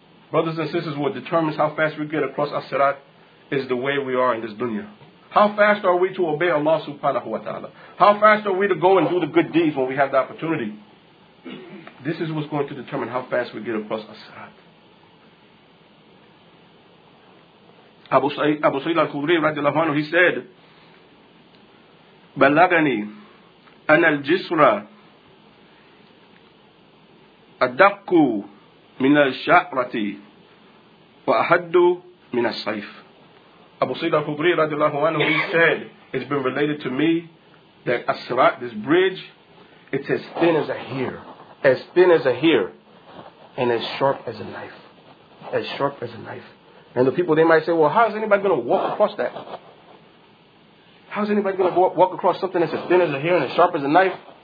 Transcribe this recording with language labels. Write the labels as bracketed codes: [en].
[en] Brothers and sisters, what determines how fast we get across As-Sirat is the way we are in this dunya. How fast are we to obey Allah subhanahu wa ta'ala? How fast are we to go and do the good deeds when we have the opportunity? This is what's going to determine how fast we get across As-Sirat. Abu Sa'id al-Khudri radiallahu anhu, he said, [ar] بَلَّغَنِي أَنَا الْجِسْرَ أَدَقُّ مِنَ الشَّعْرَةِ وَأَحَدُّ مِنَ الصَّيْفِ. [en] Abu Sa'id al-Khudri radiallahu anhu, he said, it's been related to me that As-Sirat, this bridge, it's as thin as a hair. As thin as a hair, and as sharp as a knife. As sharp as a knife. And the people, they might say, well, how is anybody going to walk across that? How is anybody going to walk across something that's as thin as a hair and as sharp as a knife?